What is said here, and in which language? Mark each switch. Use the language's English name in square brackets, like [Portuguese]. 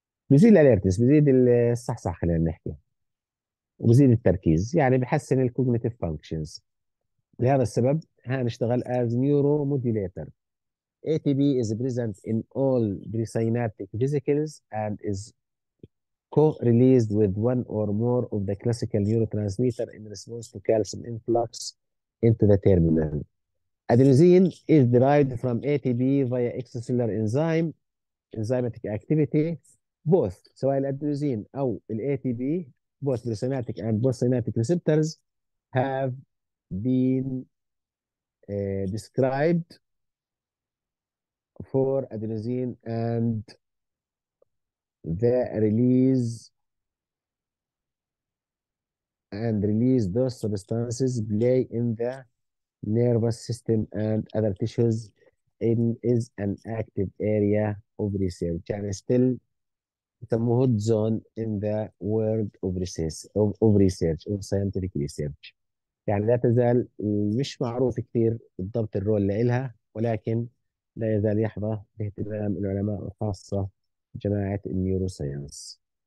[Arabic] بزيد الاليرتنس، بزيد الصحصح خلينا نحكي، وبزيد التركيز، يعني بحسن الكوجنيتيف فانكشنز. لهذا السبب ها نشتغل [English] As neuromodulator. A T P is present in all presynaptic vesicles and is co-released with one or more of the classical neurotransmitter in response to calcium influx into the terminal. Adenosine is derived from ATP via extracellular enzyme, enzymatic activity, both. [Arabic] سواء الأدنوزين أو الـ ATP, [English] both presynaptic and postsynaptic receptors have been described for adenosine and the release and release those substances play in the nervous system and other tissues in is an active area of research and still it's a hot zone in the world of research of scientific research. [Arabic] يعني لا تزال مش معروف كثير بالضبط الرول اللي لها, ولكن لا يزال يحظى باهتمام العلماء وخاصة جماعة النيوروساينس.